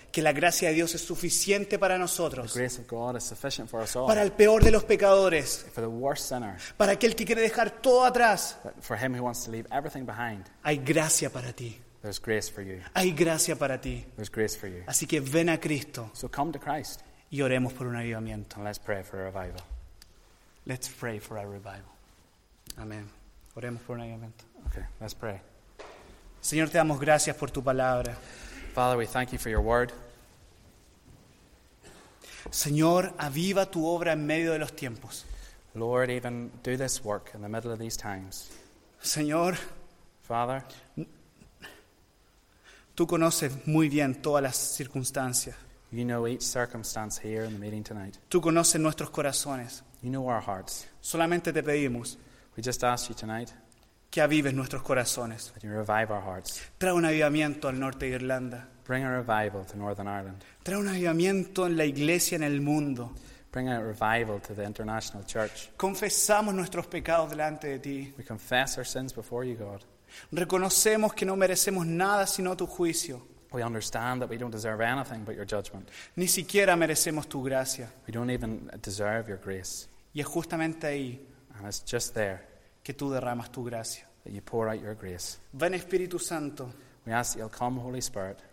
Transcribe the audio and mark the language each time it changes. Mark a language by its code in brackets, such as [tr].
[es] Que la gracia de Dios es suficiente para nosotros. [en] The grace of God is sufficient for us all. [es] Para el peor de los pecadores. [en] For the worst sinner. [es] Para aquel que quiere dejar todo atrás. [en] But for him who wants to leave everything behind. [es] Hay gracia para ti. [en] There's grace for you. [es] Hay gracia para ti. [en] There's grace for you. [es] Así que ven a Cristo. [en] So come to Christ. [es] Y oremos por un avivamiento. [en] And let's pray for a revival. Let's pray for a revival. Amén. [es] Oremos por un avivamiento. [en] Okay, let's pray. [es] Señor, te damos gracias por tu palabra. [en] Father, we thank you for your word. [es] Señor, aviva tu obra en medio de los tiempos. [en] Lord, even do this work in the middle of these times. [es] Señor, [en] Father, [es] tú conoces muy bien todas las circunstancias. [en] You know each circumstance here in the meeting tonight. [es] Tú conoces nuestros corazones. [en] You know our hearts. [es] Solamente te pedimos. [en] We just ask you tonight. [es] Que avives nuestros corazones. [en] Revive our hearts. [es] Trae un avivamiento al norte de Irlanda. [en] Bring a revival to Northern Ireland. [es] Trae un avivamiento en la iglesia en el mundo. [en] Bring a revival to the international church. [es] Confesamos nuestros pecados delante de ti. [en] We confess our sins before you, God. [es] Reconocemos que no merecemos nada sino tu juicio. [en] We understand that we don't deserve anything but your judgment. [es] Ni siquiera merecemos tu gracia. [en] We don't even deserve your grace. [es] Y es justamente ahí. [en] And it's just there. [es] Que tú derramas tu gracia. [en] That you pour out your grace. [es] Ven Espíritu Santo. [en] We ask that you'll come, Holy Spirit.